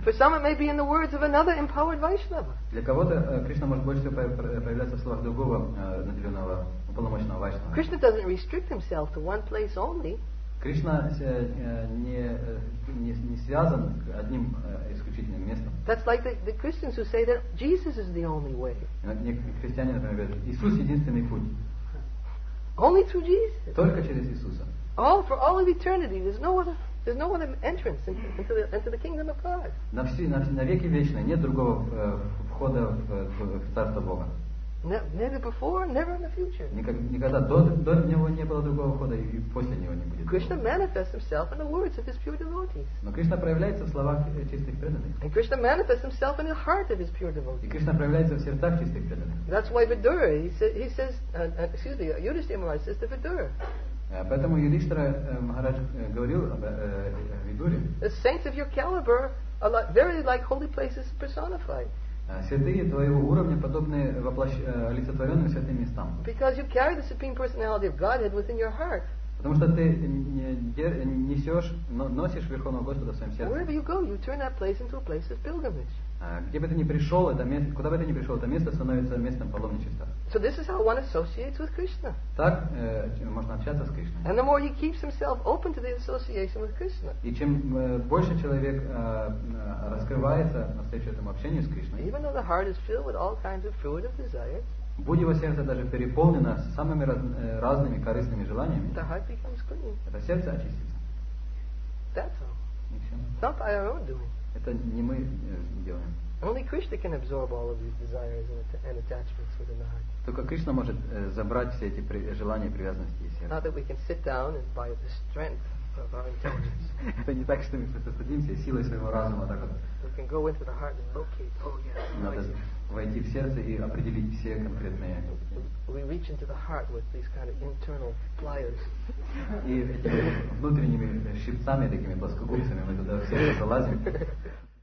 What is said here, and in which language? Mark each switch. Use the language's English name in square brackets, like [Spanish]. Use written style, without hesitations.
[English] For some, it may be in the words of another empowered Vaishnava. [Russian] Для кого-то Кришна может больше всего проявляться в словах другого наделенного, уполномоченного Вайшнава. [English] Krishna doesn't restrict himself to one place only. [Russian] Кришна не связан с одним исключительным местом. [English] That's like the Christians who say that Jesus is the only way. [Russian] Христиане, например, говорят, Иисус единственный путь. [English] Only through Jesus. [Russian] Только через Иисуса. [English] All for all of eternity, there's no other entrance into the kingdom of God. [Russian] На веки вечные нет другого входа в Царство Бога. [English] Never before, never in the future. [Russian] Никогда до него не было другого хода, и после него не будет. [English] Krishna manifests himself in the words of his pure devotees. [Russian] Но Кришна проявляется в словах чистых преданных. [English] And Krishna manifests himself in the heart of his pure devotees. [Russian] И Кришна проявляется в сердцах чистых преданных. [English] That's why Vidura, he says, Yudhishthira Maharaj says to Vidura. [Russian] Поэтому Юдиштхира Махарадж говорил об Видуре. [English] The saints of your caliber are like, very like holy places personified. [Russian] Святые твоего уровня подобны олицетворенным святым местам. [English] Because you carry the supreme personality of Godhead within your heart. [Russian] Потому что ты несешь, носишь Верховного Господа в своем сердце. [English] Wherever you go, you turn that place into a place of pilgrimage. [Russian] Где бы ты ни пришел, это место, куда бы ты ни пришел, это место становится местом паломничества. [English] So this is how one associates with Krishna. [Russian] Так можно общаться с Кришной. [English] And the more he keeps himself open to the association with Krishna. [Russian] И чем больше человек раскрывается навстречу этому общению с Кришной. [English] Even though the heart is filled with all kinds of fruit of desire. [Russian] Будь его сердце даже переполнено самыми разными корыстными желаниями. [English] The heart becomes clean. [Russian] Это сердце очистится. [English] That's all. It's not by our own doing. [Russian] Это не мы делаем. [English] Only Krishna can absorb all of these desires and attachments within the heart. [Russian] Только Кришна может забрать все эти желания, привязанности и сердца. [English] Not that we can sit down and by the strength of our intelligence. [Russian] Это не так, что мы просто садимся силой своего разума так вот. [English] We can go into the heart and locate. Oh yes. [Russian] Надо войти в сердце и определить все конкретные. [English] We reach into the heart with these kind of internal pliers. [Russian] И этими внутренними щипцами, такими плоскогубцами, мы туда в сердце залазим.